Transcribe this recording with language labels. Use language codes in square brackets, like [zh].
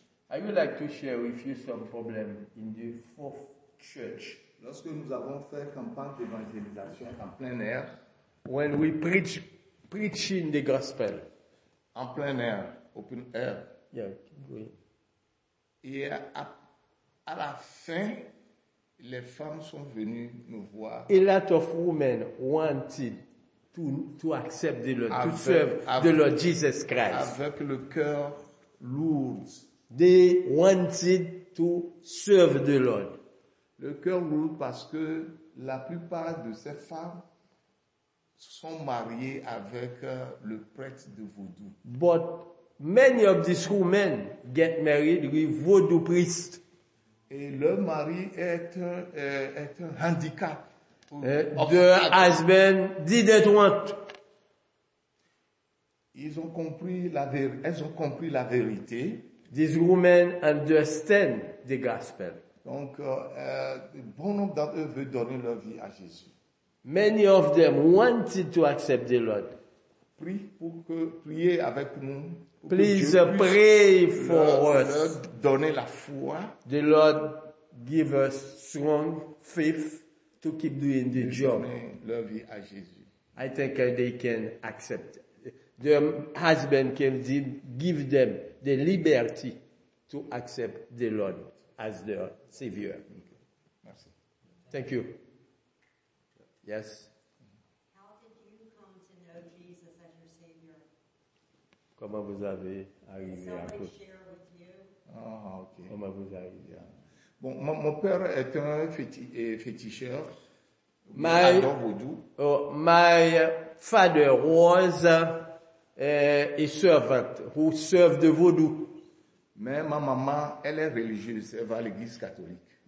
[en] I would like to share with you some problem in the fourth church. [fr] Lorsque nous avons fait campagne d'évangélisation en plein air, [en] when we preaching the gospel, [fr] en plein air, [en] open air. Yeah. Oui. [fr] Et à la fin, les femmes sont venues nous voir. [en] A lot of women wanted. To accept the Lord, to serve the Lord Jesus Christ. [fr] Avec le cœur lourd. [en] They wanted to serve the Lord. [fr] Le cœur lourd parce que la plupart de ces femmes sont mariées avec le prêtre de vaudou. [en] But many of these women get married with vaudou priest. [fr] Et leur mari est un handicap. [en] The husband didn't want. [fr] Elles ont compris la vérité. [en] These women understand the gospel. [fr] Donc, bon nombre d'entre eux veulent donner leur vie à Jésus. [en] Many of them wanted to accept the Lord. [fr] Prie pour que priez avec nous. [en] Please pray for us. [fr] Donner la foi. [en] The Lord give us strong faith. To keep doing the job. [fr] Leur vie à Jésus. [en] I think they can accept. Their husband can give them the liberty to accept the Lord as their savior. [fr] Merci. [en] Thank you. Yes. How did you come to know Jesus as your savior? [fr] Comment vous avez arrivé à [en] Christ? Somebody share with you. Oh, okay. [fr] Comment vous arrivez à Bon, mon père est un féticheur. My [en] father was a servant who served the voodoo. [fr] Mais ma maman, elle est religieuse, elle va à l'église catholique.